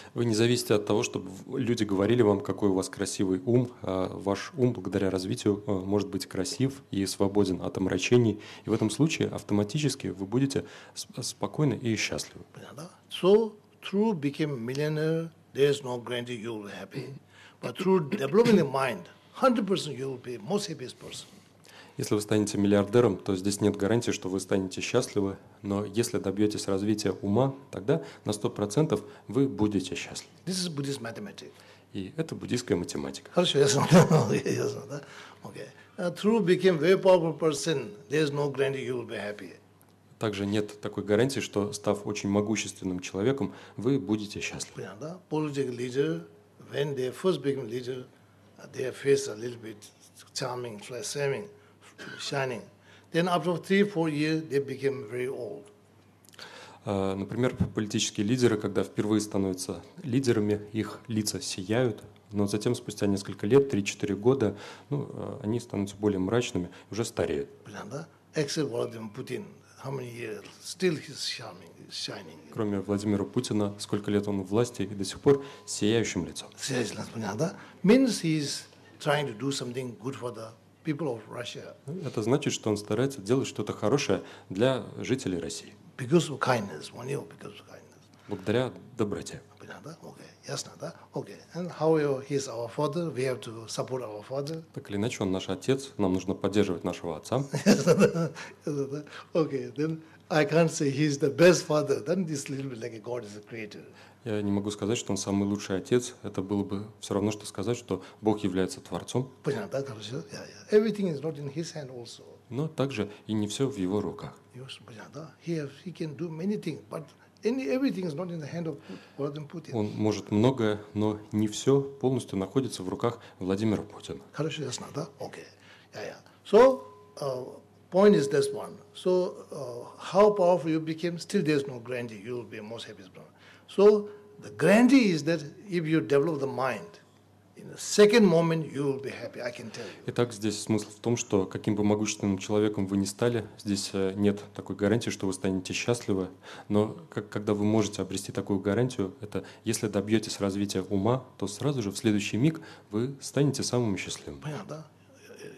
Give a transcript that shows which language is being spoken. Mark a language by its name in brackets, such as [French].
[Russian] Вы не зависите от того, чтобы люди говорили вам, какой у вас красивый ум. Ваш ум, благодаря развитию, может быть красив и свободен от омрачений. И в этом случае автоматически вы будете спокойны и счастливы. [English] So, through became millionaire, there is no guarantee you will be happy. But through developing the mind, 100% you will be most happiest person. [Russian] Если вы станете миллиардером, то здесь нет гарантии, что вы станете счастливы. Но если добьетесь развития ума, тогда на 100% вы будете счастливы. [English] This is Buddhist mathematics. [Russian] И это буддийская математика. Хорошо, ясно, да? Okay. [English] Through became very powerful person, there is no guarantee you will be happy. [Russian] Также нет такой гарантии, что став очень могущественным человеком, вы будете счастливы. Понятно, да? [English] Political leader. When they first became leader, their face a little bit charming, flashing, shining. Then after 3-4 years, they became very old. [Russian] Например, политические лидеры, когда впервые становятся лидерами, их лица сияют, но затем спустя несколько лет, 3-4 года, они становятся более мрачными, уже стареют. Да? [English] Except Владимир Путин. How many years? Still he's charming, shining. [Russian] Кроме Владимира Путина, сколько лет он в власти и до сих пор сияющим лицом. Понятно, да? [English] Means he's trying to do something good for the people of Russia. [Russian] Это значит, что он старается делать что-то хорошее для жителей России. [English] Because of kindness, one year because of kindness. [Russian] Благодаря доброте. Понятно, да? Okay. Ясно, да? Okay. [English] And how he's our father, we have to support our father. [Russian] Так или иначе, он наш отец, нам нужно поддерживать нашего отца. [English] Okay, then I can't say he's the best father. Then this little bit like a God is a creator. [Russian] Я не могу сказать, что он самый лучший отец. Это было бы все равно, что сказать, что Бог является Творцом. Понятно, да? Хорошо. [English] Yeah. Everything is not in his hand also. [Russian] Но также и не все в его руках. Понятно, да? [English] He can do many things, but everything is not in the hand of Владимир Путин. [Russian] Он может многое, но не все полностью находится в руках Владимира Путина. Хорошо, ясно, да? [English] Okay. Yeah, yeah. So, point is this one. So, how powerful you became, still there is no grandee. You will be most happy. So, the grandee is that if you develop the mind, in the second moment you will be happy, I can tell you. [Russian] Итак, здесь смысл в том, что каким бы могущественным человеком вы ни стали, здесь нет такой гарантии, что вы станете счастливы. Но когда вы можете обрести такую гарантию, это если добьетесь развития ума, то сразу же в следующий миг вы станете самым счастливым. Понятно, да?